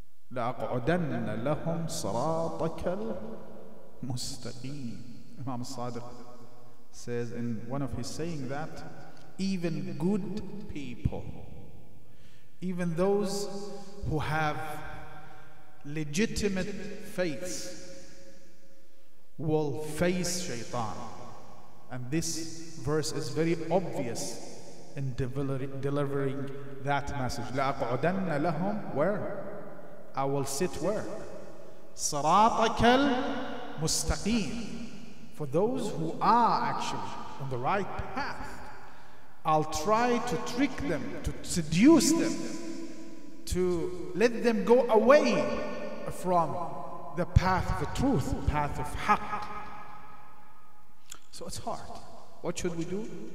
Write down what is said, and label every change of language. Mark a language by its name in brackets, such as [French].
[Arabic] لَأَقْعُدَنَّ لَهُمْ صَرَاطَكَ الْمُسْتَقِيمِ [English] Imam Sadiq says in one of his saying that even good people, even those who have legitimate faith will face shaitan. And this verse is very obvious in delivering that message. [Arabic] لَأَقْعُدَنَّ لَهُمْ [English] Where? I will sit where? [Arabic] صَرَاطَكَ الْمُسْتَقِيمِ [English] For those who are actually on the right path, I'll try to trick them, to seduce them, to let them go away from the path of the truth, path of haqq. So it's hard. What should we do?